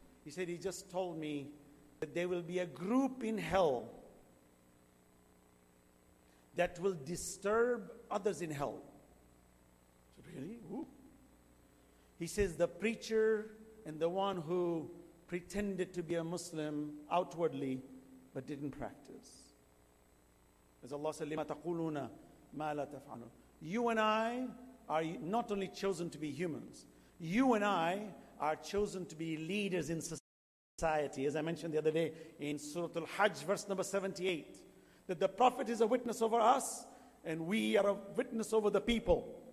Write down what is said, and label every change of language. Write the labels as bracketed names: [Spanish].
[English] He said, he just told me that there will be a group in hell that will disturb others in hell. So really? Who? He says, the preacher and the one who pretended to be a Muslim outwardly but didn't practice. [Arabic] As Allah said, لِمَا تَقُولُونَ مَا لَا تَفْعَلُونَ. [English] You and I are not only chosen to be humans, you and I are chosen to be leaders in society. society. As I mentioned the other day in Surah Al-Hajj, verse number 78, that the Prophet is a witness over us and we are a witness over the people.